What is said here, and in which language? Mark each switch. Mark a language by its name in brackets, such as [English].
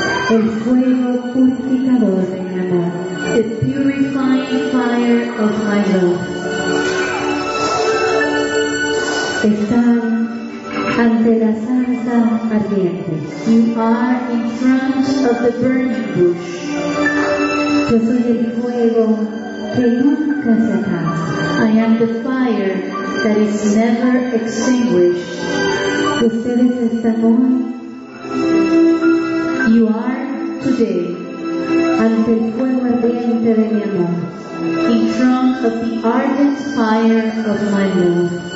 [Spanish] El fuego purificador de mi amor. [English] The purifying fire of my love. [Spanish] Están ante la zarza ardiente. [English] You are in front of the burning bush. [Spanish] Yo soy el fuego que nunca se apaga. [English] I am the fire that is never extinguished. [Spanish] Ustedes están hoy. [English] You are today. [Spanish] Ante el fuego ardiente de mi amor. [English] In front of the ardent fire of my love.